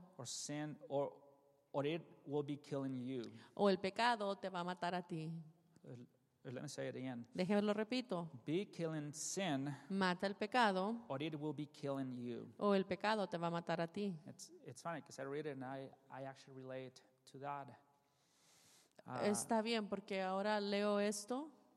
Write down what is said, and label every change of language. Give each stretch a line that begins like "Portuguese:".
English: Or sin, or it will be killing you.
Spanish: O el pecado te va a matar a ti.
English: Let me say it again.
Spanish: Déjeme lo repito.
English: Be killing sin.
Spanish: Mata el pecado.
English: Or it will be killing you.
Spanish: O el pecado te va a matar a ti.
English: It's funny because I read it and I actually relate to that.
Spanish: Está bien porque ahora leo esto.